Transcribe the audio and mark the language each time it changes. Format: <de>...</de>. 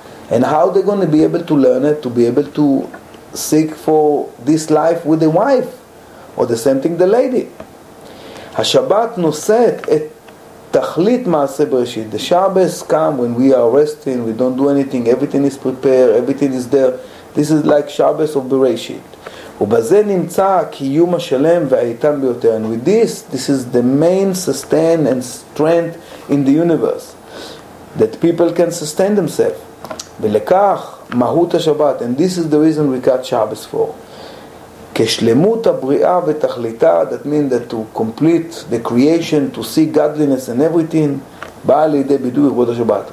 <en>And how are they going to be able to learn it, to be able to seek for this life with a wife? Or the same thing, the lady.</en> <he>Ha-Shabbat noset et tachlit ma'aseh bereshit.</he> <en>The Shabbos come when we are resting, we don't do anything, everything is prepared, everything is there. This is like Shabbos of Bereshit.</en> <he>ובזה נמצא קיום השלם והאיתן ביותר.</he> <en>And with this, this is the main sustain and strength in the universe, that people can sustain themselves.</en> <he>ולכך מהות השבת.</he> <en>And this is the reason we got Shabbos for.</en> <he>כשלמות הבריאה ותכליתה,</he> <en>that means that to complete the creation, to see godliness and everything,</en> <he>באה לידי בידוי כבוד השבת.</he>